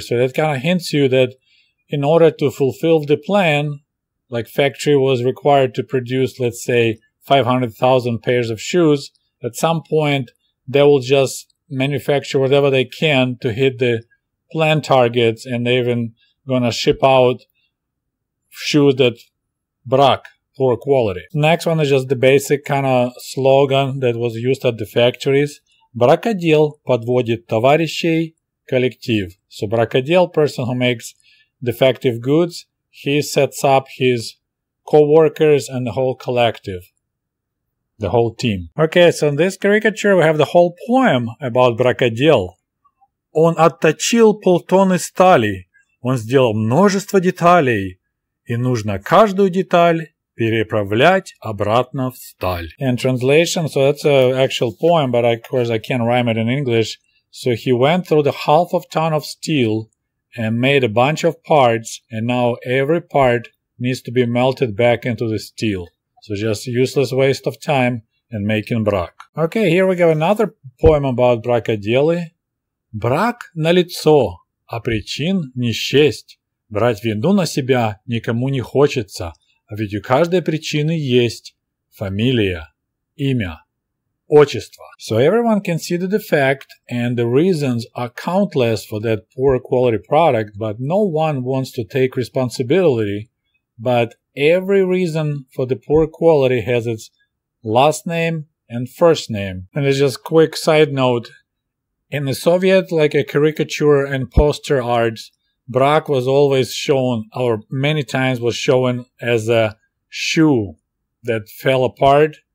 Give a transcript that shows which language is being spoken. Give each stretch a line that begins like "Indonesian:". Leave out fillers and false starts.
English: So that kind of hints you that in order to fulfill the plan, like factory was required to produce, let's say, 500,000 pairs of shoes, at some point they will just manufacture whatever they can to hit the plan targets, and they're even going to ship out shoes that BRAK, poor quality. Next one is just the basic kind of slogan that was used at the factories.
Russian: Бракодел подводит товарищей коллектив.
English: So бракодел, person who makes defective goods, he sets up his co-workers and the whole collective, the whole team. Okay, so in this caricature we have the whole poem about бракодел.
Russian: Он отточил полтонны стали, он сделал множество деталей, и нужно каждую деталь переправлять обратно в сталь.
English: And translation, so that's an actual poem, but of course I can't rhyme it in English. So he went through the half of ton of steel and made a bunch of parts, and now every part needs to be melted back into the steel. So just useless waste of time and making brak. Okay, here we go. Another poem about бракоделы.
Russian: Брак налицо, а причин не счесть. Брать вину на себя никому не хочется, а ведь у каждой причины есть фамилия, имя, отчество.
English: So everyone can see the defect and the reasons are countless for that poor quality product, but no one wants to take responsibility. But every reason for the poor quality has its last name and first name. And it's just a quick side note. In the Soviet, like a caricature and poster arts, Brak was always shown, or many times was shown, as a shoe that fell apart.